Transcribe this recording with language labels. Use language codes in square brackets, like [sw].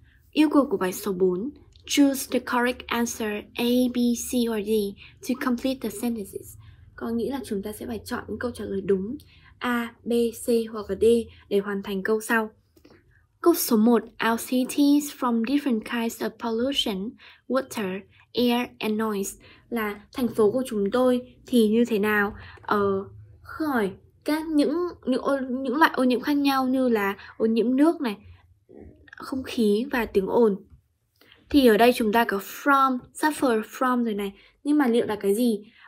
[vi] Yêu cầu của bài số 4: [en] choose the correct answer A, B, C or D to complete the sentences. [vi] Có nghĩa là chúng ta sẽ phải chọn những câu trả lời đúng A, B, C hoặc là D để hoàn thành câu sau. Câu số 1. [en] Our cities from different kinds of pollution, water, air and noise. [vi] Là thành phố của chúng tôi thì như thế nào? Khỏi các những loại ô nhiễm khác nhau như là ô nhiễm nước này, không khí và tiếng ồn. Thì ở đây chúng ta có from, [en] suffer from [vi] rồi này. Nhưng mà liệu là cái gì?